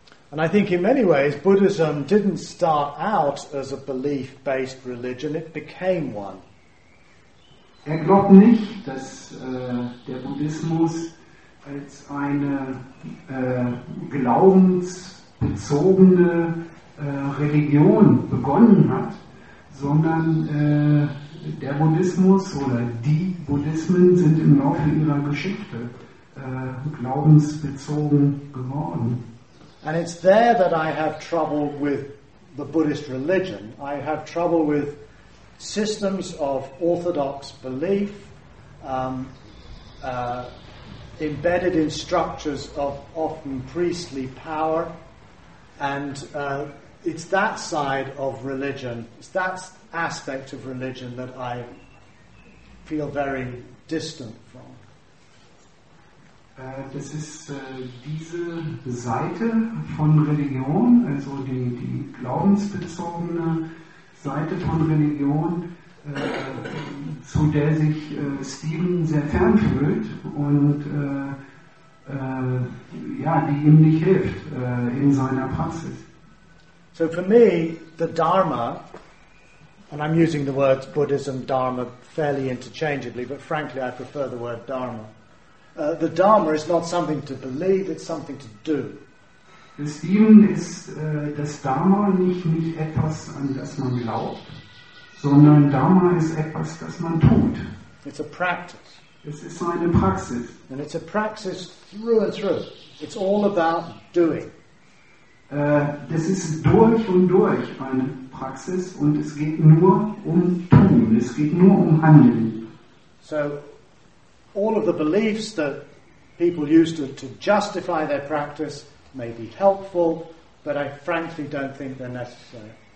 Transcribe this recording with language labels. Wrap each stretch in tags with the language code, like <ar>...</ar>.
<en>And I think in many ways Buddhism didn't start out as a belief-based religion, it became one.</en> <de>Er glaubt nicht, dass der Buddhismus als eine glaubensbezogene Religion begonnen hat, sondern der Buddhismus oder die Buddhismen sind im Laufe ihrer Geschichte glaubensbezogen geworden.</de> <en>And it's there that I have trouble with the Buddhist religion. I have trouble with systems of orthodox belief embedded in structures of often priestly power, and it's that side of religion, it's that aspect of religion that I feel very distant from.</en> <de>Das ist diese Seite von Religion, also die glaubensbezogene Seite von Religion, zu der sich Stephen sehr fern fühlt und die ihm nicht hilft in seiner Praxis.</de> <en>So for me, the Dharma, and I'm using the words Buddhism, Dharma fairly interchangeably, but frankly I prefer the word Dharma. The Dharma is not something to believe, it's something to do.</en> <de>Stephen ist das Dharma nicht etwas, an das man glaubt, sondern Dharma ist etwas, das man tut.</de> <en>It's a practice.</en> <de>Es ist eine Praxis.</de> <en>And it's a practice through and through. It's all about doing.</en> <de>Das ist durch und durch eine Praxis und es geht nur um Tun, es geht nur um Handeln.</de> <en>So, all of the beliefs that people use to justify their practice may be helpful, but I frankly don't think they're necessary.</en>